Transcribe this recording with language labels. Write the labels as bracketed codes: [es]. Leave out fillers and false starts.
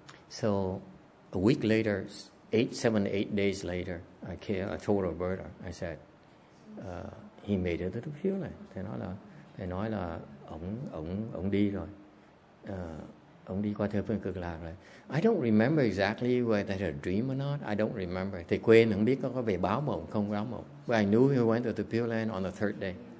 [en] So a week later, seven, eight days later, I told Roberta, I said, he made it to the Pure Land. [vi] Thầy nói là ông đi rồi. Ông đi qua Tây Phương Cực Lạc rồi. [en] I don't remember exactly whether that a dream or not. I don't remember. [vi] Thầy quên, không biết có về báo mộng không báo mộng. [en] But I knew he went to the Pure Land on the third day.